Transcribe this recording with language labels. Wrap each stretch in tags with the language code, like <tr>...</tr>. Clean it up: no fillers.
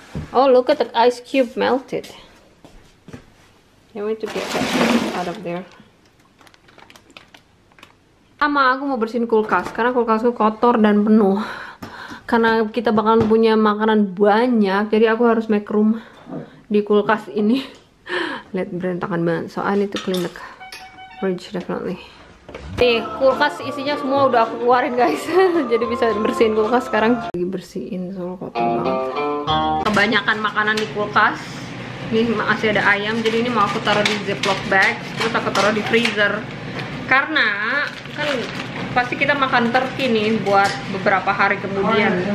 <en>Oh, look at the ice cube melted. You need to get that out of there.</en> <id>Sama, aku mau bersihin kulkas karena kulkasku kotor dan penuh. Karena kita bakalan punya makanan banyak, jadi aku harus</id> <en>make room</en> <id>di kulkas ini. Lihat berantakan banget.</id> <en>So I need to clean the fridge definitely.</en> <id>Nih, kulkas isinya semua udah aku keluarin guys. Jadi bisa bersihin kulkas sekarang. Lagi bersihin, soalnya kotor banget. Kebanyakan makanan di kulkas. Nih masih ada ayam, jadi ini mau aku taruh di Ziploc bag, terus aku taruh di freezer. Karena kan pasti kita makan turkey nih buat beberapa hari kemudian.</id>